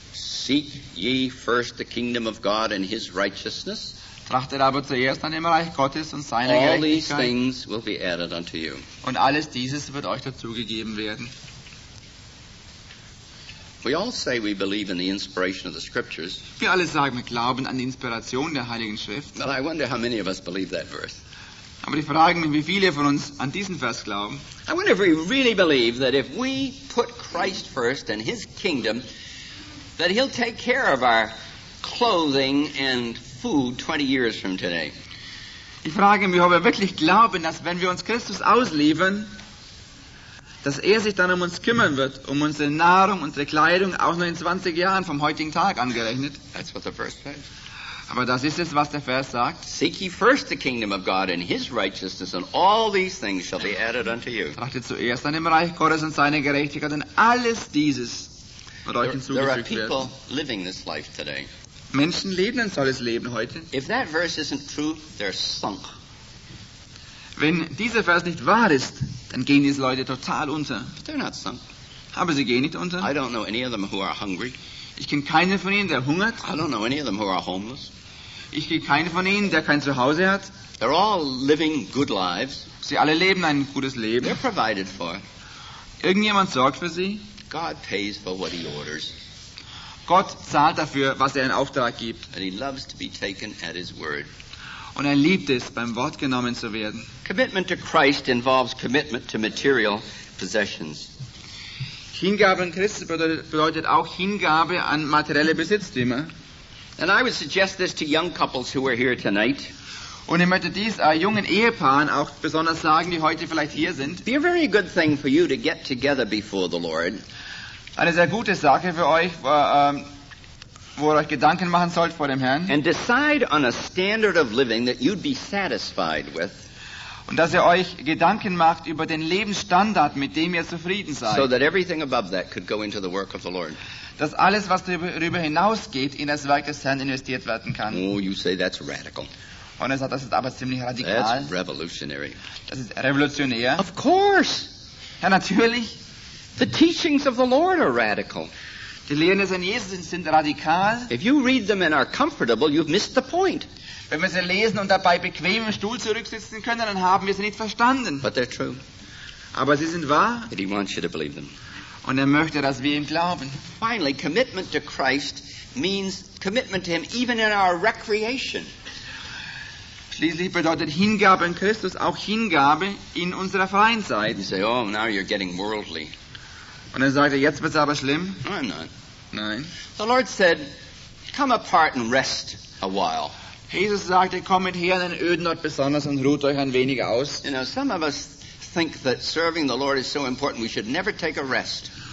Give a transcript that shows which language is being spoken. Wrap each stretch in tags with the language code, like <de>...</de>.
<en>Seek ye first the kingdom of God and His righteousness.</en> <de>Trachtet aber zuerst an dem Reich Gottes und seine</de> <en>All</en> <de>Gerechtigkeit.</de> <en>These things will be added unto you.</en> <de>Und alles dieses wird euch dazugegeben werden.</de> <en>We all say we believe in the inspiration of the Scriptures.</en> <de>Wir alle sagen, wir glauben an die Inspiration der Heiligen Schrift.</de> <en>But I wonder how many of us believe that verse.</en> <de>Aber ich frage mich, wie viele von uns an diesen Vers glauben.</de> <en>I wonder if we really believe that if we put Christ first and His kingdom, that He'll take care of our clothing and food 20 years from today.</en> <de>Ich frage mich, ob wir wirklich glauben, dass wenn wir uns Christus ausliefern, dass er sich dann um uns kümmern wird, um unsere Nahrung, unsere Kleidung, auch nur in 20 Jahren vom heutigen Tag angerechnet.</de> <en>That's what the verse says.</en> <de>Aber das ist es, was der Vers sagt.</de> <en>Seek ye first the kingdom of God and His righteousness, and all these things shall be added unto you.</en> <de>Trachtet zuerst an dem Reich Gottes und seine Gerechtigkeit, und alles dieses wird euch hinzugefügt werden.</de> <en>There are people living this life today.</en> <de>Menschen leben ein solches Leben heute.</de> <en>If that verse isn't true, they're sunk.</en> <de>Wenn dieser Vers nicht wahr ist, dann gehen diese Leute total unter.</de> <en>But they're not sunk.</en> <de>Aber sie gehen nicht unter.</de> <en>I don't know any of them who are hungry.</en> <de>Ich kenne keinen von ihnen, der hungert.</de> <en>I don't know any of them who are homeless.</en> <de>Ich kenne keinen von ihnen, der kein Zuhause hat.</de> <en>They're all living good lives.</en> <de>Sie alle leben ein gutes Leben.</de> <en>They're provided for.</en> <de>Irgendjemand sorgt für sie.</de> <en>God pays for what He orders.</en> <de>Gott zahlt dafür, was er in Auftrag gibt.</de> <en>And He loves to be taken at His word.</en> <de>Und er liebt es, beim Wort genommen zu werden.</de> <en>Commitment to Christ involves commitment to material possessions.</en> <de>Hingabe an Christus bedeutet auch Hingabe an materielle Besitztümer.</de> <en>And I would suggest this to young couples who are here tonight.</en> <de>Und ich möchte dies jungen Ehepaaren auch besonders sagen, die heute vielleicht hier sind.</de> <en>Be a very good thing for you to get together before the Lord.</en> <de>Eine sehr gute Sache für euch, wo ihr euch Gedanken machen sollt vor dem Herrn.</de> <en>And decide on a standard of living that you'd be satisfied with.</en> <de>Und dass ihr euch Gedanken macht über den Lebensstandard, mit dem ihr zufrieden seid.</de> <en>So that everything above that could go into the work of the Lord.</en> <de>Dass alles, was darüber hinausgeht, in das Werk des Herrn investiert werden kann.</de> <en>Oh, you say that's radical.</en> <de>Und er sagt, das ist aber ziemlich radikal.</de> <en>That's revolutionary.</en> <de>Das ist revolutionär.</de> <en>Of course.</en> <de>Ja, natürlich.</de> <en>The teachings of the Lord are radical.</en> <de>Die Lehren des Herrn Jesus sind radikal.</de> <en>If you read them and are comfortable, you've missed the point.</en> <de>Wenn wir sie lesen und dabei bequem im Stuhl zurücksitzen können, dann haben wir sie nicht verstanden.</de> <en>But they're true.</en> <de>Aber sie sind wahr.</de> <en>And he wants you to believe them.</en> <de>Und er möchte, dass wir ihm glauben.</de> <en>Finally, commitment to Christ means commitment to him even in our recreation.</en> <de>Schließlich bedeutet Hingabe an Christus auch Hingabe in unserer freien Zeit.</de> <en>You say, oh, now you're getting worldly.</en> <de>Und er sagte, jetzt wird's aber schlimm.</de> <en>I'm not.</en> <de>Nein.</de> <en>The Lord said, come apart and rest a while.</en> <de>Jesus sagte, kommt her in den öden Ort besonders und ruht euch ein wenig aus.</de> <en>You know, some of us think that serving the Lord is so important, we should never take a rest.</en>